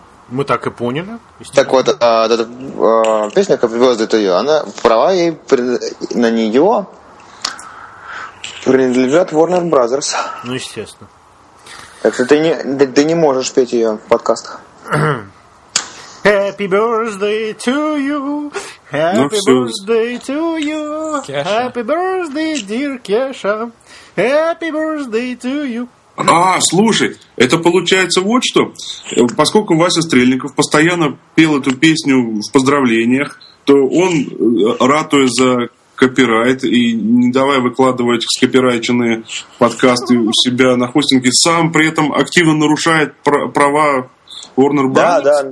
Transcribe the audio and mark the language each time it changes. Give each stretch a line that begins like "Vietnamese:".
Russian: Мы так и поняли. Так вот, эта песня Happy Birthday to You, она права ей на нее принадлежат Warner Brothers. Ну, естественно. Так что ты не можешь петь ее в подкастах.
English: Happy birthday to you, happy birthday to you, happy birthday, dear Кеша, happy birthday to you.
Russian: А, слушай, это получается вот что. Поскольку Вася Стрельников постоянно пел эту песню в поздравлениях, то он, ратуя за копирайт и не давая выкладывать скопирайченные подкасты у себя на хостинге, сам при этом активно нарушает права Warner Brothers?